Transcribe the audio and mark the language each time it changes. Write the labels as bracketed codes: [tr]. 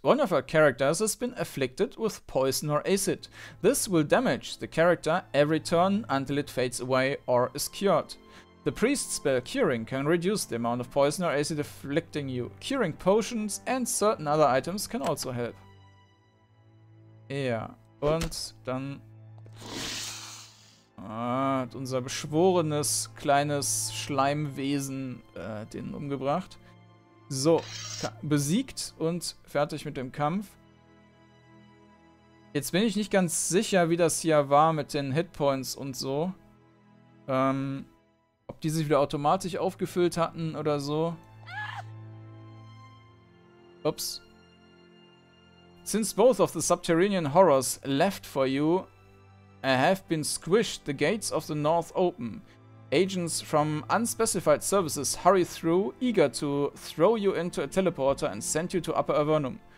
[en] One of our characters has been afflicted with poison or acid. This will damage the character every turn until it fades away or is cured. The priest spell Curing can reduce the amount of poison or acid afflicting you. Curing potions and certain other items can also help. [de] Ja, und dann hat unser beschworenes kleines Schleimwesen den umgebracht. So, besiegt und fertig mit dem Kampf. Jetzt bin ich nicht ganz sicher, wie das hier war mit den Hitpoints und so. Ob die sich wieder automatisch aufgefüllt hatten oder so. Ups. [en] Since both of the subterranean horrors left for you have been squished, the gates of the north open. Agents from unspecified services hurry through, eager to throw you into a teleporter and send you to Upper Avernum.